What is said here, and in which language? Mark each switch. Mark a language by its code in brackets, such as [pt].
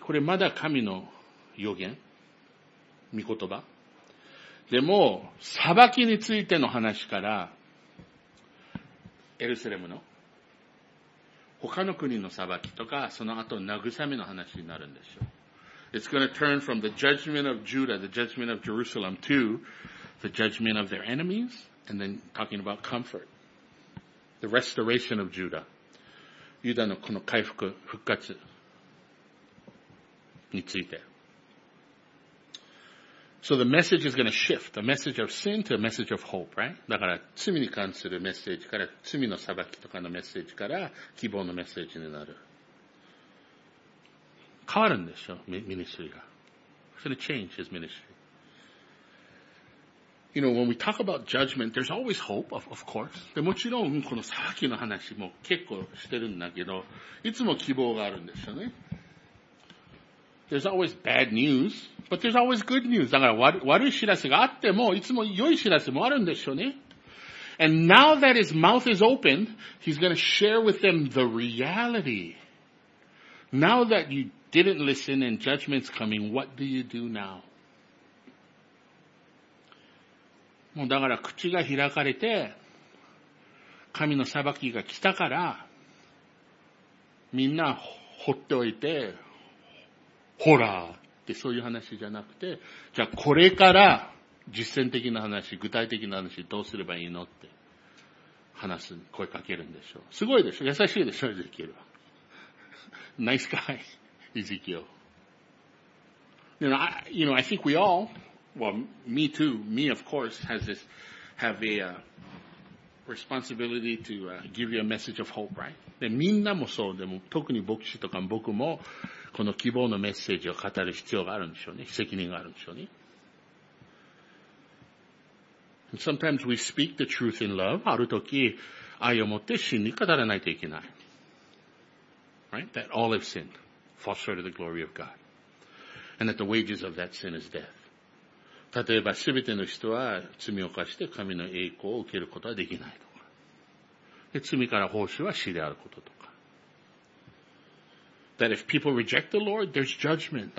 [ja] これまだ神の予言、御言葉。でも、裁きについての話から、エルサレムの、他の国の裁きとか、その後慰めの話になるんですよ。 [en] It's gonna turn from the judgment of Judah, the judgment of Jerusalem to the judgment of their enemies, and then talking about comfort. The restoration of Judah. [ja] ユダのこの回復、復活について。 [en] So the message is gonna shift, the message of sin to a message of hope, right? [ja] だから罪に関するメッセージから、罪の裁きとかのメッセージから希望のメッセージになる。変わるんでしょ、ミニストリーが。 [en] It's gonna change his ministry. You know, when we talk about judgment, there's always hope, of course. [ja] で、もちろん、この裁きの話も結構してるんだけど、いつも希望があるんですよね。 [en] There's always bad news, but there's always good news. [ja] だから悪い知らせがあっても、いつも良い知らせもあるんでしょうね。 [en] And now that his mouth is open, he's gonna share with them the reality. Now that you didn't listen and judgment's coming, what do you do now? [ja] もうだから口が開かれて、神の裁きが来たから、みんな放っておいて、ほらってそういう話じゃなくて、じゃあこれから実践的な話、具体的な話どうすればいいのって話す、声かけるんでしょう。すごいでしょ、優しいでしょ、エゼキエルは。ナイスガイ、エゼキエル。 [en] I think we all, well, me too, me of course, have a responsibility to give you a message of hope, right? [ja] で、みんなもそう、でも特に牧師とか僕も、この希望のメッセージを語る必要があるんでしょうね。責任があるんでしょうね。 [en] And sometimes we speak the truth in love. [ja] ある時、愛を持って真に語らないといけない。 [en] Right? That all have sinned, fall short of the glory of God. And that the wages of that sin is death. [ja] 例えば、すべての人は罪を犯して神の栄光を受けることはできないとか。で、罪から報酬は死であることとか。 [en] That if people reject the Lord, there's judgment.